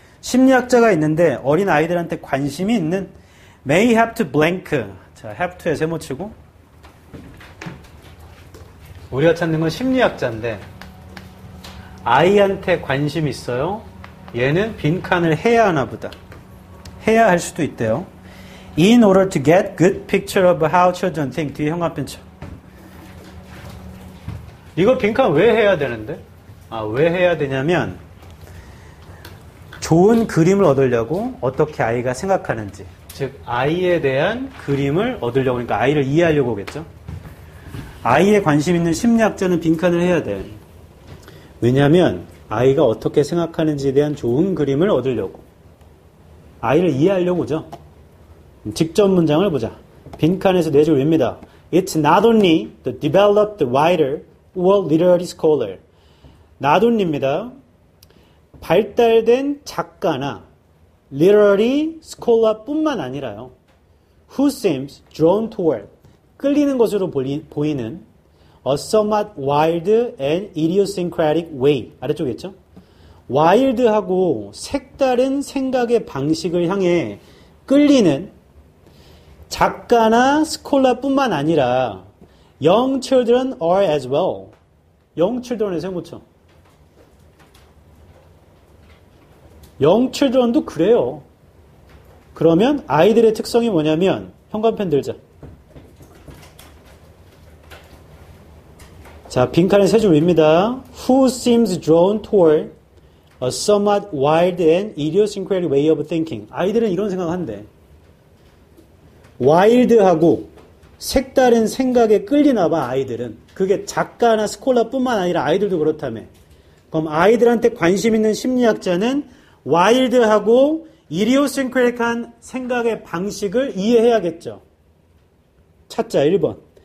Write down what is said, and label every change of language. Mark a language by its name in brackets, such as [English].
[Korean] 심리학자가 있는데 어린 아이들한테 관심이 있는. [English] May have to blank. [Korean] 자 have to에 세모치고 우리가 찾는 건 심리학자인데 아이한테 관심이 있어요. 얘는 빈칸을 해야 하나 보다. 해야 할 수도 있대요. [English] In order to get good picture of how children think. [Korean] 뒤에 형광펜 쳐. 이거 빈칸 왜 해야 되는데? 아, 왜 해야 되냐면 좋은 그림을 얻으려고 어떻게 아이가 생각하는지. 즉 아이에 대한 그림을 얻으려고 그러니까 아이를 이해하려고 하겠죠. 아이에 관심 있는 심리학자는 빈칸을 해야 돼. 왜냐하면 아이가 어떻게 생각하는지에 대한 좋은 그림을 얻으려고. 아이를 이해하려고죠. 직접 문장을 보자. 빈칸에서 네 줄입니다. [English] It's not only the developed writer or literary scholar. [Korean] Not only입니다. 발달된 작가나 literary scholar뿐만 아니라요. [English] Who seems drawn toward [Korean] 끌리는 것으로 보이는 [English] a somewhat wild and idiosyncratic way. [Korean] 아래쪽에 있죠? wild하고 색다른 생각의 방식을 향해 끌리는 작가나 스콜라뿐만 아니라 [English] young children are as well. [Korean] young children의 생모처. young children도 그래요. 그러면 아이들의 특성이 뭐냐면 현관펜 들자. 자, 빈칸의 세 줄입니다. [English] Who seems drawn toward a somewhat wild and idiosyncratic way of thinking. [Korean] 아이들은 이런 생각을 한대. wild하고 색다른 생각에 끌리나 봐, 아이들은. 그게 작가나 스콜라뿐만 아니라 아이들도 그렇다며. 그럼 아이들한테 관심 있는 심리학자는 wild하고 idiosyncratic한 생각의 방식을 이해해야겠죠. 찾자, 1번.